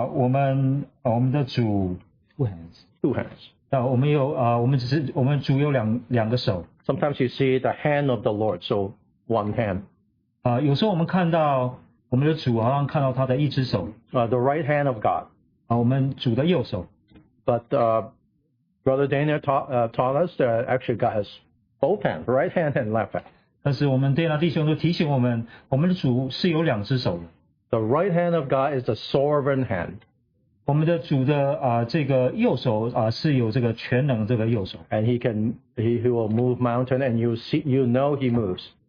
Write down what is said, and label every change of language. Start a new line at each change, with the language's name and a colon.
Chinese: 我们是不是我们有想到说我们的主
English: two hands.
Chinese: 但我们有我们只是我们主有两个手。
English: Sometimes you see the hand of the Lord, so one hand.
Chinese: 有时候我们看到我们的主好像看到他的一只手。
English: The right hand of God.
Chinese: 我们主的右手。
English: But Brother Daniel taught us that actually God has both hands, right hand and left hand.
Chinese: 但是我们Daniel弟兄都提醒我们，我们的主是有两只手的。
English: The right hand of God is the sovereign hand.
Chinese: 我们的主的这个右手是有这个全能这个右手。
English: And he will move mountain and you know he moves.